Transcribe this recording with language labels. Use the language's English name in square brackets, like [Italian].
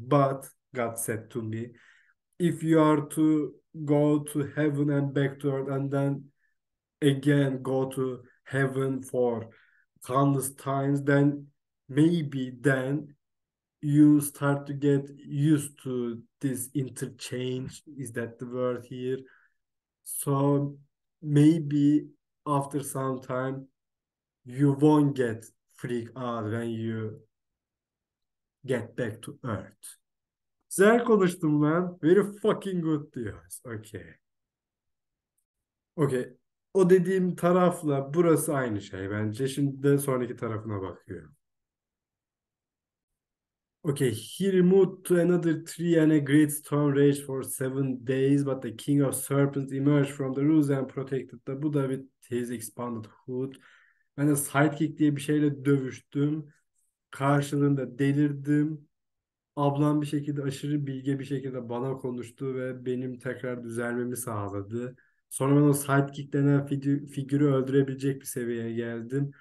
[English] But God said to me, if you are to go to heaven and back to earth and then again go to heaven for countless times, then maybe then you start to get used to this interchange. Is that the word here? So maybe after some time, you won't get freaked out when you get back to earth. [Turkish] Güzel konuştum ben. [English] Very fucking good [Turkish] diyoruz. [English] Okay. Okay. [Turkish] O dediğim tarafla burası aynı şey bence. Şimdi de sonraki tarafına bakıyorum. [English] Okay. He removed to another tree and a great storm raged for 7 days, but the king of serpents emerged from the roots and protected the Buddha with his expanded hood. [Turkish] Ben de sidekick diye bir şeyle dövüştüm. Karşılığında delirdim. Ablam bir şekilde aşırı bilge bir şekilde bana konuştu ve benim tekrar düzelmemi sağladı. Sonra ben o sidekick denen figürü öldürebilecek bir seviyeye geldim.